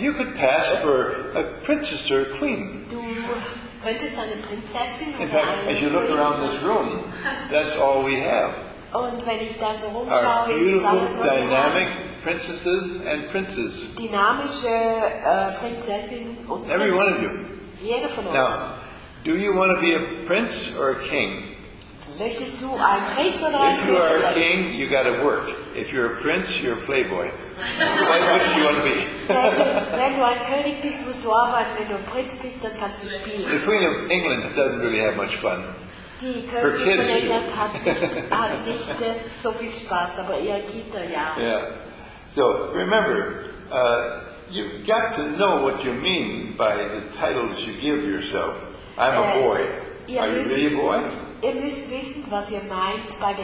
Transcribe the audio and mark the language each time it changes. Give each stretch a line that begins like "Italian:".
English: You could pass for a princess or a queen.
German: Du könntest eine Prinzessin
English: in fact,
German: eine
English: as you look around this room, that's all we have.
German: Und wenn ich da so rumschaue, ist das alles, was
English: dynamic princesses and princes.
German: Dynamische Prinzessin und
English: every
German: Prinzen.
English: One of you.
German: Jeder von
English: now,
German: uns.
English: Do you want to be a prince or a king?
German: Möchtest du ein Prinz oder
English: if
German: ein
English: you are a king, you got to work. If you're a prince, you're a playboy. Why wouldn't you want to be?
German: Wenn du ein König bist, musst du arbeiten. Wenn du ein Prinz bist, dann kannst du spielen.
English: The Queen of England doesn't really have much fun.
German: Die Königin von England hat nicht so viel Spaß, aber ihre Kinder ja.
English: Yeah. So remember, you've got to know what you mean by the titles you give yourself. I'm a boy. Are you really a boy?
German: Ihr müsst wissen, was ihr meint bei den,